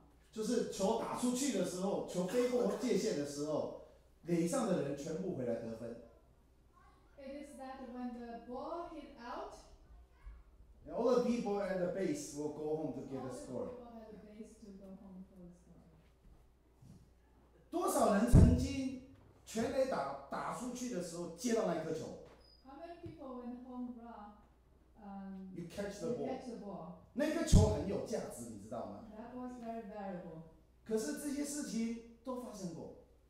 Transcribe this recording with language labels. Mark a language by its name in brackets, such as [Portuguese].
[Chinese] 就是球打出去的时候，球飞过界限的时候，垒上的人全部回来得分。 [English] It is that when the ball hit out, all the people at the base will go home to get a score. All the people at the base to go home for the score. [Chinese] 多少人曾经全垒打打出去的时候接到那颗球 [English] ？How many people went home run? You catch the ball. Catch the ball. [Chinese] 那颗球很有价值，你知道吗？ [English] That was very valuable. [Chinese] 可是这些事情都发生过。